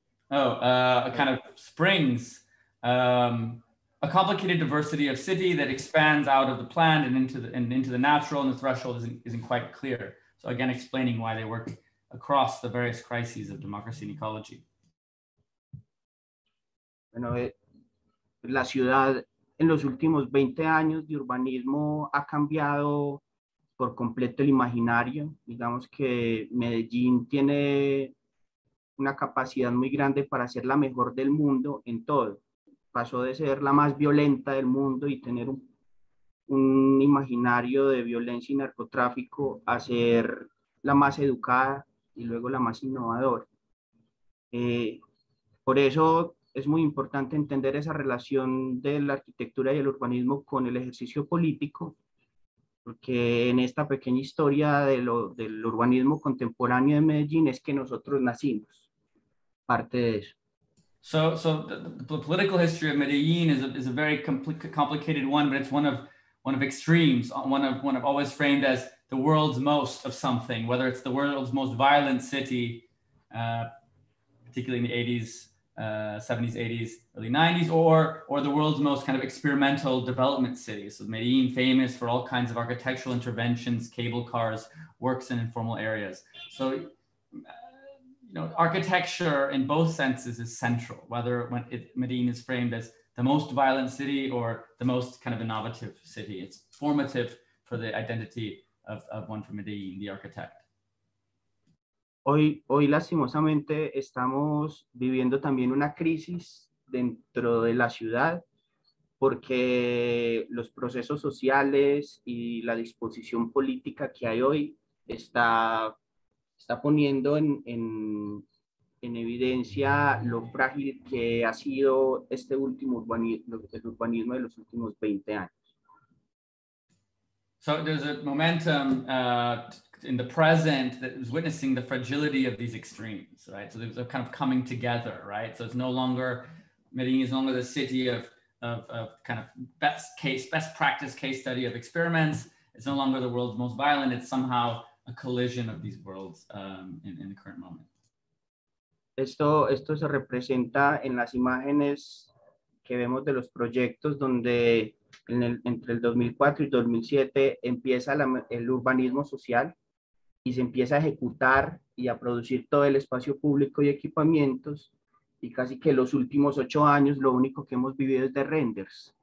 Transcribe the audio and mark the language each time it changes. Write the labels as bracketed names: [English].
[English] A kind of springs. A complicated diversity of city that expands out of the planned and into the natural, and the threshold isn't quite clear. So again, explaining why they work across the various crises of democracy and ecology. [Spanish] Bueno, la ciudad en los últimos 20 años de urbanismo ha cambiado por completo el imaginario. Digamos que Medellín tiene una capacidad muy grande para ser la mejor del mundo en todo. Pasó de ser la más violenta del mundo y tener un imaginario de violencia y narcotráfico a ser la más educada y luego la más innovadora. Por eso es muy importante entender esa relación de la arquitectura y el urbanismo con el ejercicio político, porque en esta pequeña historia del urbanismo contemporáneo de Medellín es que nosotros nacimos parte de eso. [English] So the political history of Medellín is a very complicated one, but it's one of extremes, one of always framed as the world's most of something, whether it's the world's most violent city, particularly in the 80s, 70s, 80s, early 90s, or the world's most kind of experimental development city. So Medellín, famous for all kinds of architectural interventions, cable cars, works in informal areas. So architecture in both senses is central, whether Medellín is framed as the most violent city or the most kind of innovative city. It's formative for the identity of one from Medellín, the architect. [Spanish] Hoy lastimosamente estamos viviendo también una crisis dentro de la ciudad porque los procesos sociales y la disposición política que hay hoy está poniendo en evidencia lo frágil que ha sido este último urbanismo de los últimos 20 años. [English] So there's a momentum in the present that is witnessing the fragility of these extremes, right? So they're kind of coming together, right? So it's no longer, Medellín is no longer the city of kind of best practice case study of experiments. It's no longer the world's most violent. It's somehow a collision of these worlds in the current moment. [Spanish] Esto se representa en las imágenes que vemos de los proyectos donde entre el 2004 y 2007 empieza el urbanismo social y se empieza a ejecutar y a producir todo el espacio público y equipamientos, y casi que los últimos 8 años lo único que hemos vivido es de renders.